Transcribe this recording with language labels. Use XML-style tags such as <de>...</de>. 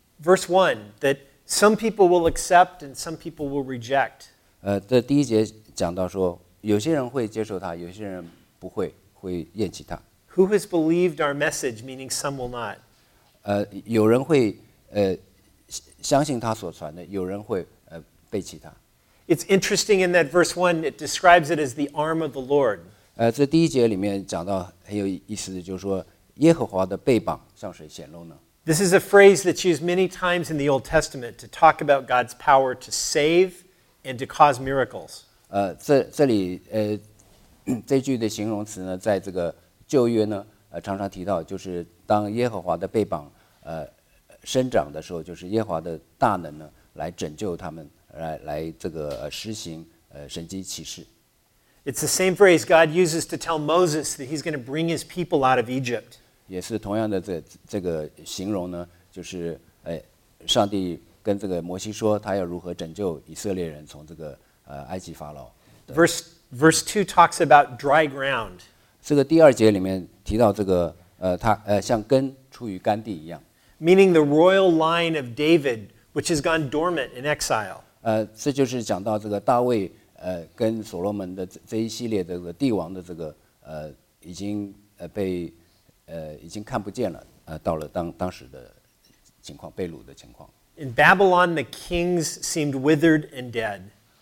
<en>Verse 1, that some people will accept and some people will reject.</en> <zh>这第一节讲到说，有些人会接受他，有些人不会，会厌弃他。</zh> <en>Who has believed our message, meaning some will not?</en> <zh>有人会相信他所传的，有人会背弃他。</zh> <en>It's interesting in that verse 1, it describes it as the arm of the Lord.</en> <zh>这第一节里面讲到很有意思的就是说耶和华的臂膀向谁显露呢？</zh> <en>This is a phrase that's used many times in the Old Testament to talk about God's power to save and to cause miracles.</en> <zh>这里这句的形容词呢在这个旧约呢常常提到就是当耶和华的臂膀生长的时候就是耶和华的大能呢来拯救他们。来这个施行神迹奇事。</zh> <en>It's the same phrase God uses to tell Moses that he's going to bring his people out of Egypt.</en> <zh>也是同样的这个形容呢，就是上帝跟这个摩西说，他要如何拯救以色列人从这个埃及法老。</zh> <en>Verse 2 talks about dry ground.</en> <zh>这个第二节里面提到这个他像根出于干地一样。</zh> <en>Meaning the royal line of David. Which has gone dormant in exile.</en> <zh>这就是讲到这个大卫跟所罗门的这一系列的这个帝王的这个已经被已经看不见了到了当时的情况被掳的情况。</zh> <en>In Babylon, the kings seemed withered and dead.</en>